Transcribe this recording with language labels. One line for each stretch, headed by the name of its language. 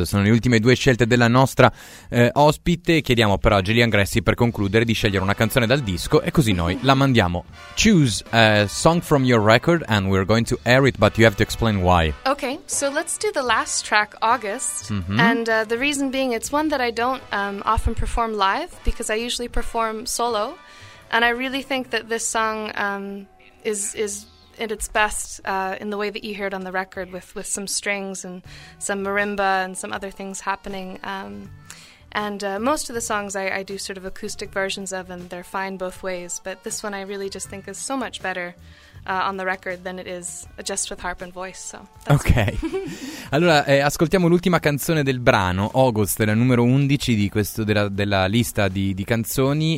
Italian: Sono le ultime due scelte della nostra ospite. Chiediamo però a Gillian Gracy, per concludere, di scegliere una canzone dal disco, e così noi la mandiamo.
English: Choose a song from your record and we're going to air it, but you have to explain why. Okay, so let's do the last track, August. Mm-hmm. And the reason being, it's one that I don't often perform live, because I usually perform solo, and I really think that this song is at its best in the way that you hear it on the record, with some strings and some marimba and some other things happening. Most of the songs I do sort of acoustic versions of, and they're fine both ways. But this one I really just think is so much better on the record than it is just with harp and voice. So that's okay.
Italian: Allora, ascoltiamo l'ultima canzone del brano, August, la numero 11 di questo della lista di canzoni.